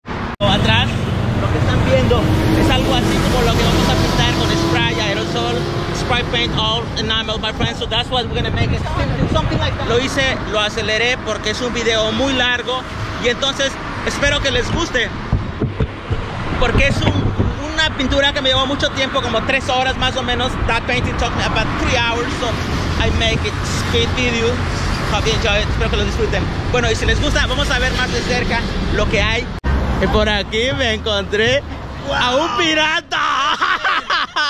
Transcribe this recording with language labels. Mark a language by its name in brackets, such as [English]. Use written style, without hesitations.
[Spanish] Atrás, lo que están viendo es algo así como lo que vamos a pintar con spray, aerosol, [English] spray paint, all enamel, my friend. So that's what we're gonna make it. Something like that. [Spanish] Lo hice, lo aceleré porque es un video muy largo y entonces espero que les guste. Porque es una pintura que me llevó mucho tiempo, como 3 horas más o menos. [English] That painting took me about 3 hours, so I make it speed video. Hope you enjoy it. [Spanish] Espero que lo disfruten. Bueno, y si les gusta, vamos a ver más de cerca lo que hay. Y por aquí me encontré a un pirata.